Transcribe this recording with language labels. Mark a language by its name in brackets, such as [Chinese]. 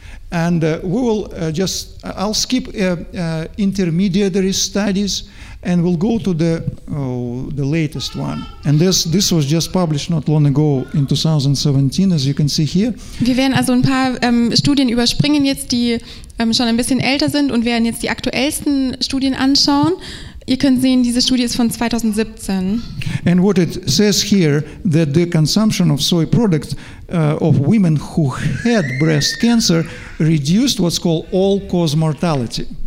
[English] And we will just, I'll skip intermediary studies and we'll go to the latest one. And this was just published not long ago in 2017, as you can see here. [German] Wir werden also ein paar Studien überspringen jetzt, die schon ein bisschen älter sind und werden jetzt die aktuellsten Studien anschauen. Ihr könnt sehen, diese Studie ist von 2017. [English] And what it says here that the consumption of soy products of women who had breast cancer reduced what's called all-cause mortality.